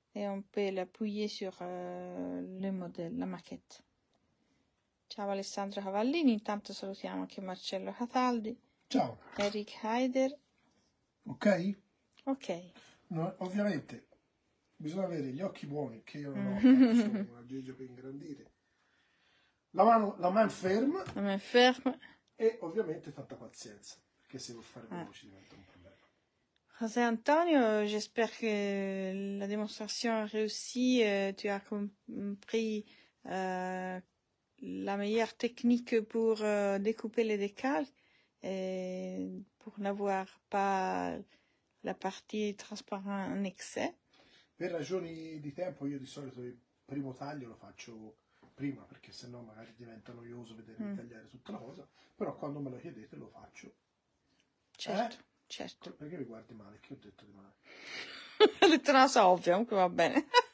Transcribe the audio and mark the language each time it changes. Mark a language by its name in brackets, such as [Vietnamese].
[French] Et on peut l'appuyer sur le modello, la maquette. [Italian] Ciao Alessandro Cavallini, intanto salutiamo anche Marcello Cataldi. Ciao. Eric Heider. Ok? Ok. No, ovviamente bisogna avere gli occhi buoni, che io non ho, sono una gigia per ingrandire. La mano ferma. La mano ferma. E ovviamente tanta pazienza, perché se vuoi fare veloce diventa un po'. [French] José Antonio, j'espère que la démonstration a réussi. Tu as compris la meilleure technique pour découper les décals et pour n'avoir pas la partie transparente en excès. [Italian] Per ragioni di tempo, io di solito il primo taglio lo faccio prima, perché sennò magari diventa noioso vedere tagliare tutta la cosa, però quando me lo chiedete lo faccio. Certo. Certo. Perché mi guardi male? Che ho detto di male? Ho detto una cosa ovvia, comunque va bene.